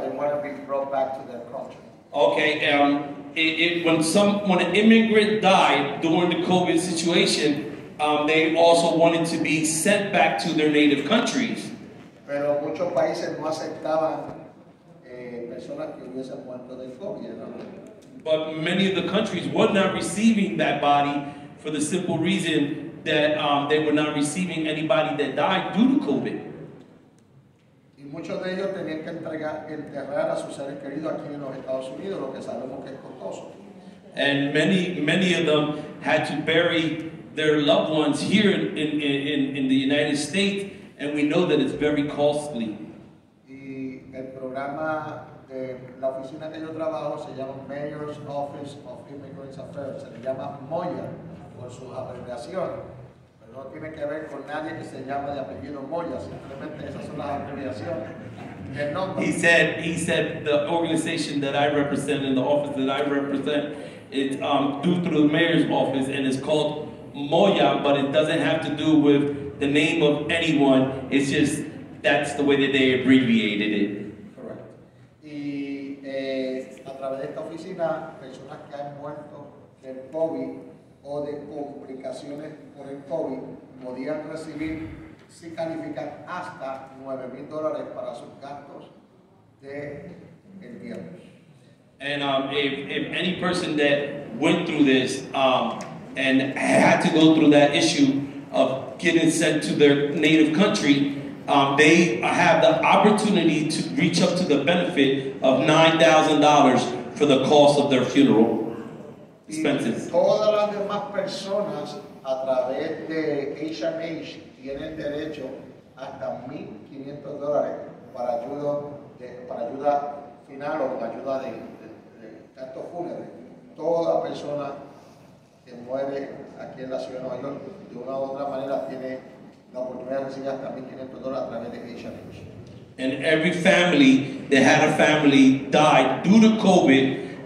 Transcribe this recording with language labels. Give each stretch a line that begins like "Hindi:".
English: They want to be brought back to their country. Okay. When an immigrant died during the COVID situation, they also wanted to be sent back to their native countries.
Spanish: Pero muchos países no aceptaban personas que hubiesen muerto del COVID, ¿no?
English: But many of the countries were not receiving that body for the simple reason that they were not receiving anybody that died due to COVID.
Spanish: Y muchos de ellos tenían que enterrar a sus seres queridos aquí en los Estados Unidos, lo que sabemos que es costoso.
English: And many of them had to bury their loved ones here in the United States, and we know that it's very costly.
Spanish: Y el programa de la oficina que yo trabajo se llama Mayor's Office of Immigrants Affairs, se le llama Moya por su abreviación, pero no tiene que ver con nadie que se llama de apellido Moya, simplemente esas son las abreviaciones.
English: He said the organization that I represent and the office that I represent is due through the mayor's office and it's called Moya, but it doesn't have to do with the name of anyone. It's just that's the way that they abbreviated it. Correct.
Spanish: Y a través de esta oficina, personas que han muerto del COVID o de complicaciones por el COVID podían recibir, si califican, hasta $9,000 para sus gastos de entierro.
English: And if any person that went through this and had to go through that issue of getting sent to their native country, they have the opportunity to reach up to the benefit of $9,000 for the cost of their funeral expenses.
Spanish: Y todas las demás personas a través de HMH tienen derecho hasta $1,500 para ayuda final o ayuda de tanto fúnebre. Toda persona que muere aquí en la ciudad de Nueva York de una u otra manera tiene la oportunidad de recibir hasta $1,500 a través de HMH.
English: And every family that had a family died due to COVID.